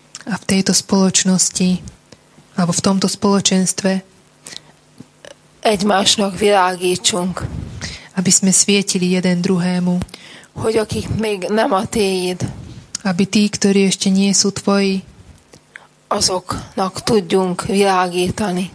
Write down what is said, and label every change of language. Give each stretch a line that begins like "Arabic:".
Slovak: A v tejto spoločnosti, alebo v tomto spoločenstve,
Hungarian: egymásnak világítsunk.
Slovak: Aby sme svietili jeden druhému.
Hungarian: Hogy akik még nem a tiéd.
Slovak: Aby tí, ktorí ešte nie sú tvoji,
Hungarian: azoknak tudjunk világítani.